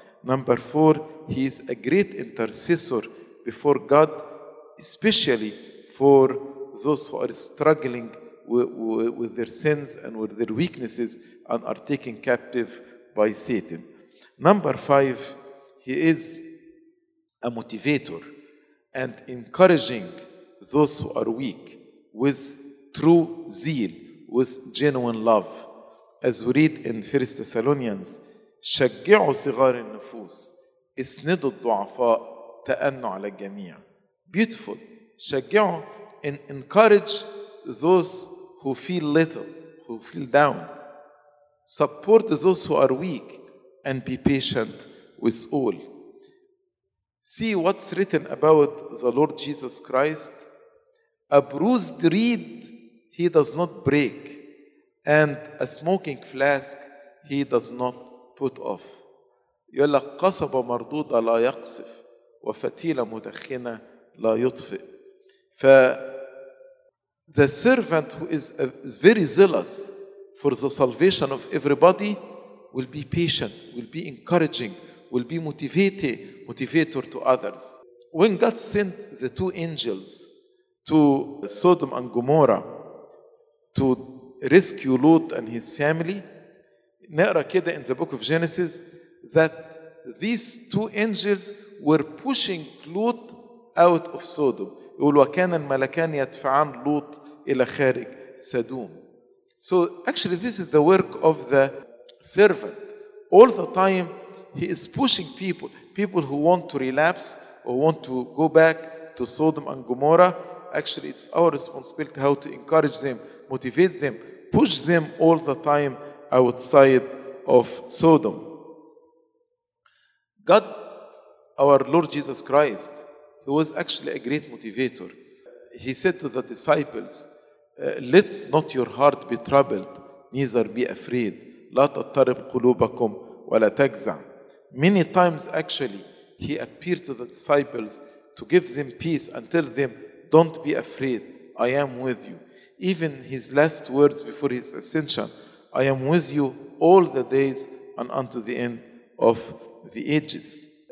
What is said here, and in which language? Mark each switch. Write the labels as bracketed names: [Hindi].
[English] Number four, he is a great intercessor before God, especially for those who are struggling with their sins and with their weaknesses and are taken captive by Satan. Number five, he is a motivator and encouraging those who are weak with true zeal, with genuine love. As we read in 1 Thessalonians, [Arabic] شجعوا صغار النفوس اسندوا الضعفاء تأنوا على الجميع. [English] Beautiful. [Arabic] شجعوا [English] and encourage those who feel little, who feel down. Support those who are weak and be patient with all. See what's written about the Lord Jesus Christ. A bruised reed he does not break, and a smoking flask he does not put off. [Arabic] يقول لك قصبة مردودة لا يقصف وفتيلة مدخنة لا يطفئ. [English] ف the servant who is very zealous for the salvation of everybody will be patient, will be encouraging, will be motivator to others. When God sent the two angels to Sodom and Gomorrah to rescue Lot and his family, [Arabic] نقرأ كده [English] in the book of Genesis that these two angels were pushing Lot out of Sodom. [Arabic] يقول وكان الملكان يدفعان لوط إلى خارج سدوم. [English] So actually this is the work of the servant. All the time he is pushing people, people who want to relapse or want to go back to Sodom and Gomorrah. Actually it's our responsibility how to encourage them, motivate them, push them all the time outside of Sodom. God, our Lord Jesus Christ, he was actually a great motivator. He said to the disciples, let not your heart be troubled, neither be afraid. [Arabic] لا تضطرب قلوبكم ولا تجزع. [English] Many times actually, he appeared to the disciples to give them peace and tell them, don't be afraid, I am with you. Even his last words before his ascension, I am with you all the days and unto the end of the ages.